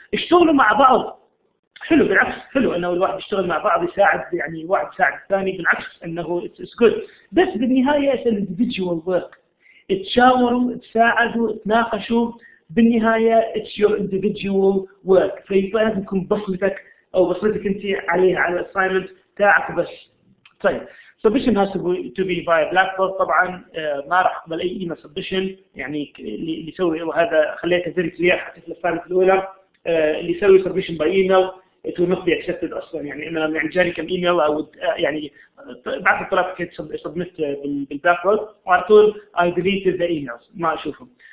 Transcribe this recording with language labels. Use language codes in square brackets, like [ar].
[ar] اشتغلوا مع بعض حلو، بالعكس حلو انه الواحد يشتغل مع بعض يساعد، يعني واحد يساعد الثاني، بالعكس انه [en] it's good, [ar] بس بالنهايه [en] it's individual work, [ar] تشاوروا تساعدوا تناقشوا، بالنهايه [en] it's your individual work, [ar] فلازم تكون بصمتك او بصمتك انت عليها على الاساينمنت تاعك بس. [en] طيب submission has to be via Blackboard. [ar] طبعا ما راح اقبل اي [en] email submission [ar] يعني اللي يسوي وهذا خليته زي كذا حتى في الفانت الاولى اللي يسوي [en] submission by email it will not be accepted [ar] اصلا يعني انا يعني جاني كم ايميل او يعني بعث الطلب كنت submit بالباكورد وعلى طول [en] I deleted the emails [ar] ما اشوفهم.